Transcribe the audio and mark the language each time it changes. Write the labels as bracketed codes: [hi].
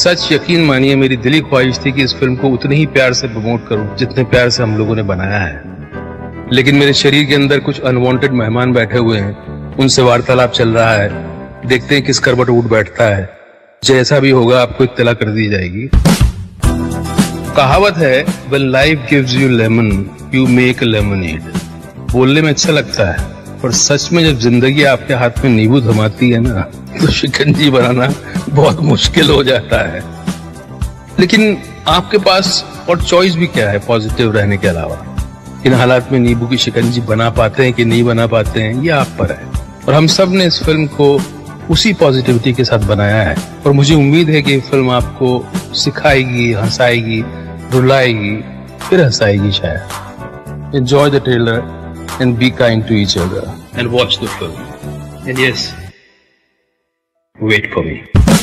[hi] सच यकीन मानिए, मेरी दिली ख्वाहिश थी कि इस फिल्म को उतने ही प्यार से प्रमोट करूं जितने प्यार से हम लोगों ने बनाया है, लेकिन मेरे शरीर के अंदर कुछ अनवांटेड मेहमान बैठे हुए हैं, उनसे वार्तालाप चल रहा है, देखते हैं किस करवट उठ बैठता है। जैसा भी होगा आपको इत्तला कर दी जाएगी। कहावत है, [en] When life gives you lemon, you make lemonade। [hi] बोलने में अच्छा लगता है, पर सच में जब जिंदगी आपके हाथ में नींबू थमाती है ना, तो शिकंजी बनाना बहुत मुश्किल हो जाता है। लेकिन आपके पास और चॉइस भी क्या है पॉजिटिव रहने के अलावा। इन हालात में नींबू की शिकंजी बना पाते हैं कि नहीं बना पाते हैं, ये आप पर है। और हम सब ने इस फिल्म को उसी पॉजिटिविटी के साथ बनाया है, और मुझे उम्मीद है कि फिल्म आपको सिखाएगी, हंसाएगी, रुलाएगी, फिर हंसाएगी शायद। [en] Enjoy the trailer and be kind to each other and watch the film and yes, wait for me।